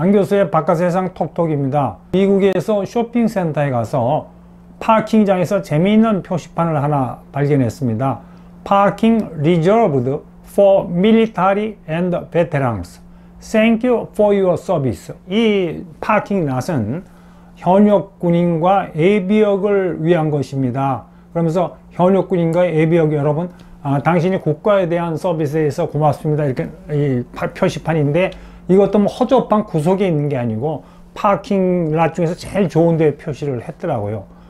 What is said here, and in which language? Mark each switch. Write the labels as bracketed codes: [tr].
[ko] 안 교수의 바깥세상 톡톡입니다. 미국에서 쇼핑센터에 가서 파킹장에서 재미있는 표시판을 하나 발견했습니다. [en] Parking reserved for military and veterans. Thank you for your service. [ko] 이 파킹 낫은 현역군인과 예비역을 위한 것입니다. 그러면서 현역군인과 예비역 여러분, 당신이 국가에 대한 서비스에서 고맙습니다. 이렇게 이 표시판인데 이것도 뭐 허접한 구석에 있는 게 아니고 파킹 랏 중에서 제일 좋은 데 표시를 했더라고요.